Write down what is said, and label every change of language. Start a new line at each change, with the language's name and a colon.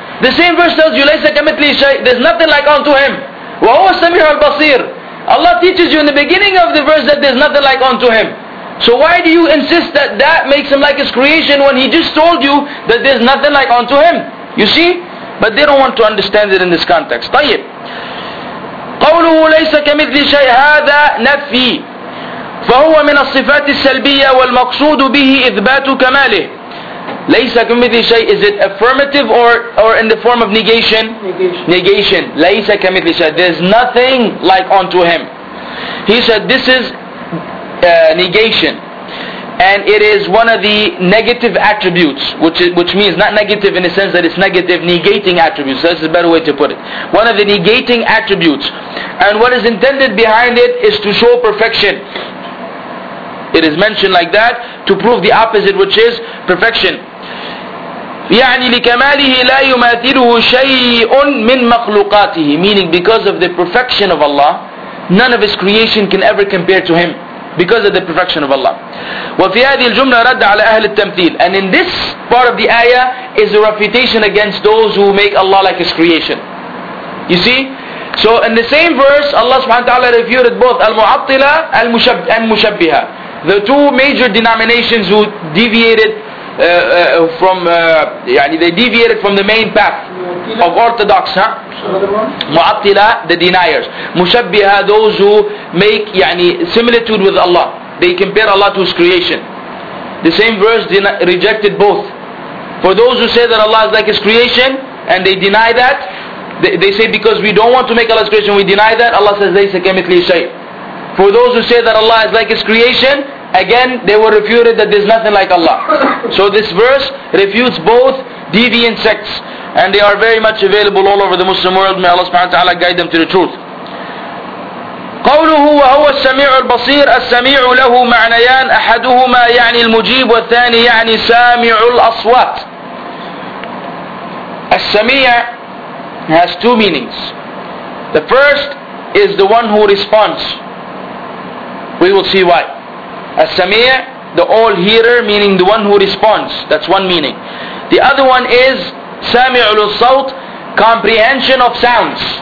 English: The same verse tells you,
Arabic: لَيْسَ كَمِثْلِهِ شَيْءٍ
English: There's nothing like unto Him.
Arabic: وَهُوَ السَّمِيعُ الْبَصِيرُ
English: Allah teaches you in the beginning of the verse that there's nothing like unto Him. So why do you insist that that makes Him like His creation when He just told you that there's nothing like unto Him? You see? But they don't want to understand it in this context.
Arabic: طيب. قوله ليس كمثل شيء هذا نفي فهو من الصفات السلبية والمقصود به إثبات كماله. ليس كمثل شيء,
English: is it affirmative or in the form of negation? Negation.
Arabic: ليس كمثل شيء,
English: there's nothing like unto Him. He said this is negation, and it is one of the negative attributes, which means not negative in the sense that it's negative, negating attributes, that's a better way to put it. One of the negating attributes, and what is intended behind it is to show perfection. It is mentioned like that to prove the opposite, which is perfection.
Arabic: يعني لكماله لا يماثله شيء من مخلوقاته,
English: meaning because of the perfection of Allah, none of His creation can ever compare to Him. Because of the perfection of Allah.
Arabic: وفي هذه الجملة رد على أهل التمثيل.
English: And in this part of the ayah is a refutation against those who make Allah like His creation. You see? So in the same verse, Allah subhanahu wa ta'ala refuted both al-mu'attila and mushabbiha, the two major denominations who deviated from the main path of orthodox, huh? Mu'attila, the deniers. Mushabbiha, those who make يعني, similitude with Allah. They compare Allah to His creation. The same verse rejected both. For those who say that Allah is like His creation, and they deny that, they say because we don't want to make Allah's creation, we deny that, Allah says,
Arabic: لَيْسَ كَمِثْلِي شَيْءٍ.
English: For those who say that Allah is like His creation, again, they were refuted that there's nothing like Allah. So this verse refutes both deviant sects. And they are very much available all over the Muslim world. May Allah subhanahu wa ta'ala guide them to the truth.
Arabic: قوله وهو السميع البصير السميع له معنيان أحدهما يعني المجيب والثاني يعني سامع الأصوات.
English: السميع has two meanings. The first is the one who responds. We will see why. السميع, the all hearer, meaning the one who responds. That's one meaning. The other one is
Arabic: سَامِعُ الْصَوْتِ,
English: comprehension of sounds.